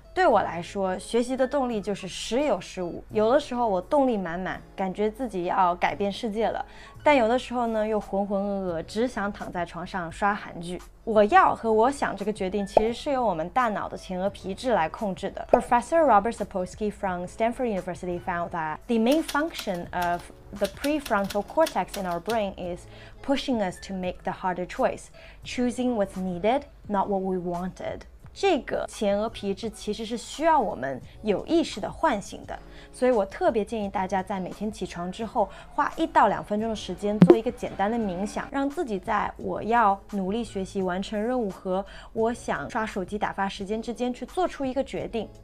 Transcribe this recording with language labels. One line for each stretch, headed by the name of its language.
Chinese: 对我来说，学习的动力就是时有时无。有的时候我动力满满，感觉自己要改变世界了，但有的时候呢，又浑浑噩噩，只想躺在床上刷韩剧。我要和我想这个决定其实是由我们大脑的前额皮质来控制的。
English: Professor Robert Sapolsky from Stanford University found that the main function of the prefrontal cortex in our brain is pushing us to make the harder choice, choosing what's needed, not what we wanted.
Chinese: 这个前额皮质其实是需要我们有意识的唤醒的，所以我特别建议大家在每天起床之后花1到2分钟的时间做一个简单的冥想，让自己在我要努力学习完成任务和我想刷手机打发时间之间去做出一个决定。